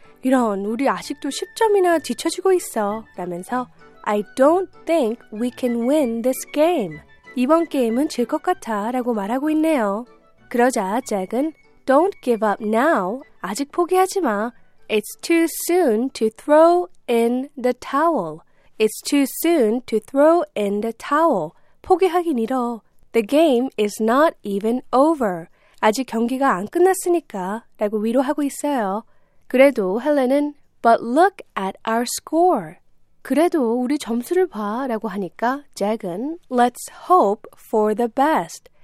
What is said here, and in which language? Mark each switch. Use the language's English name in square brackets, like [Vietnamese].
[Korean] 이런, 우리 아직도 10점이나 뒤처지고 있어. 라면서 [English] I don't think we can win this game. [Korean] 이번 게임은 질 것 같아 라고 말하고 있네요. 그러자 잭은 [English] Don't give up now. [Korean] 아직 포기하지 마. [English] It's too soon to throw in the towel. It's too soon to throw in the towel. [Korean] 포기하긴 이뤄. [English] The game is not even over. [Korean] 아직 경기가 안 끝났으니까 라고 위로하고 있어요. 그래도 헬렌은 [English] But look at our score. [Korean] 그래도 우리 점수를 봐 라고 하니까 잭은 [English] Let's hope for the best.